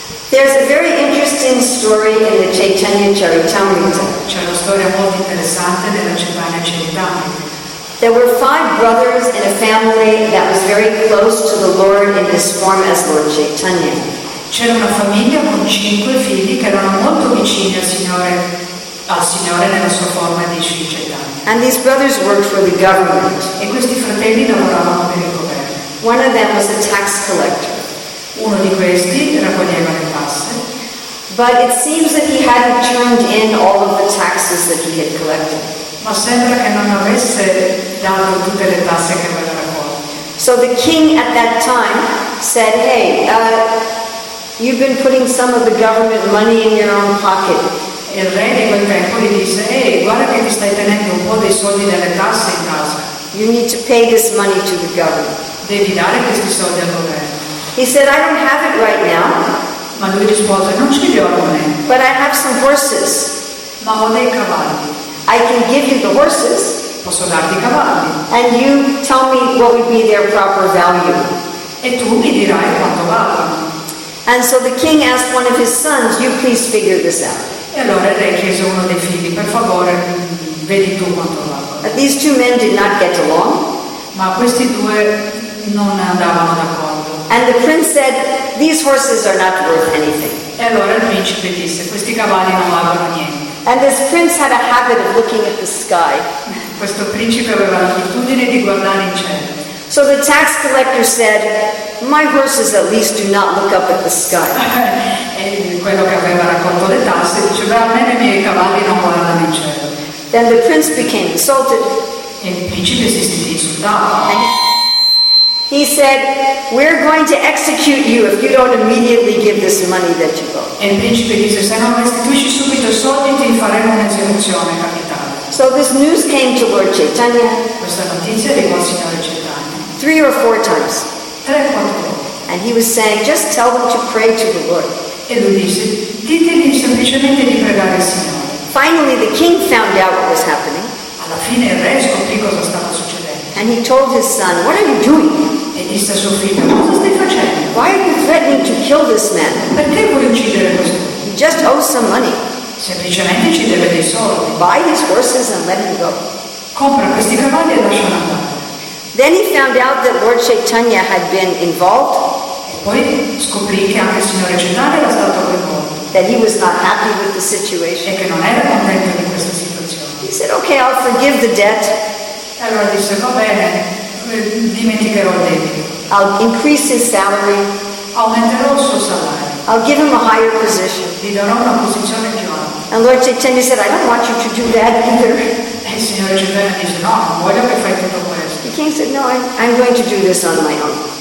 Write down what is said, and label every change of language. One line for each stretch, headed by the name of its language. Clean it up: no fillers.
English: There's a very interesting story in the Chaitanya Charitamrita.
Italian: C'è una storia molto interessante della Chaitanya Charitamrita.
English: There were five brothers in a family that was very close to the Lord in his form as Lord Chaitanya.
Italian: C'era una famiglia con cinque figli che erano molto vicini al Signore nella sua forma di Sri Chaitanya.
English: And these brothers worked for the government.
Italian: E questi fratelli lavoravano per il governo.
English: One of them was a tax collector.
Italian: Uno di questi raccoglieva le tasse.
English: But it seems that he hadn't turned in all of the taxes that he had collected.
Italian: Ma sembra che non avesse dato tutte le tasse che aveva raccolto.
English: So the king at that time said, hey, you've been putting some of the government money in your own pocket.
Italian: Il re di quel tempo gli disse, hey, guarda che ti stai tenendo un po' dei soldi delle tasse in casa.
English: You need to pay this money to the government.
Italian: Devi dare questi soldi al governo.
English: He said, I don't have it right now.
Italian: Ma lui rispose, non ce li ho al momento.
English: But I have some horses.
Italian: Ma ho dei cavalli.
English: I can give you the horses.
Italian: Posso darti i cavalli.
English: And you tell me what would be their proper value.
Italian: E tu mi dirai quanto vale.
English: And so the king asked one of his sons, you please figure this out.
Italian: E allora il re chiese uno dei figli, per favore, vedi tu quanto vale.
English: These two men did not get along.
Italian: Ma questi due non andavano d'accordo.
English: And the prince said, these horses are not worth anything.
Italian: E allora il principe disse, questi cavalli non valgono niente.
English: And this prince had a habit of looking at the sky.
Italian: Questo principe aveva l'abitudine di guardare in cielo.
English: So the tax collector said, my horses at least do not look up at the sky.
Italian: E quello che aveva raccolto le tasse diceva, almeno i miei cavalli non guardano in cielo.
English: Then the prince became insulted.
Italian: E il principe si sentì insultato.
English: He said, we're going to execute you if you don't immediately give this money that you owe.
Italian: E il principe disse, se non restituisci subito i soldi ti faremo un'esecuzione capitale.
English: So this news came to Lord Chaitanya.
Italian: Questa notizia arrivò al signore Chaitanya.
English: three or four times.
Italian: Tre, quattro volte.
English: And he was saying, just tell them to pray to the Lord.
Italian: E lui disse, ditegli semplicemente di pregare il Signore.
English: Finally, the king found out what was happening.
Italian: Alla fine il re scoprì cosa stava succedendo.
English: And he told his son, what are you doing?
Italian: E disse a suo figlio, cosa stai facendo?
English: Why are you threatening to kill this man?
Italian: Perché vuoi uccidere questo?
English: He just owes some money.
Italian: Semplicemente ci deve dei soldi.
English: Buy his horses and let him go.
Italian: Compra questi cavalli e lascia andare.
English: Then he found out that Lord Chaitanya had been involved.
Italian: E poi scoprì che anche il signore Chaitanya era stato coinvolto.
English: That he was not happy with the situation.
Italian: E che non era contento di questa situazione.
English: He said, "Okay, I'll forgive the debt."
Italian: E allora disse, va bene, dimenticherò il debito.
English: I'll increase his salary.
Italian: Aumenterò il suo salario.
English: I'll give him a higher position.
Italian: Gli darò una posizione più alta.
English: And Lord Chaitanya said, "I don't want you to do that either."
Italian: E il signore Chaitanya dice, no, non voglio che fai tutto questo.
English: The king said, no, I'm going to do this on my own.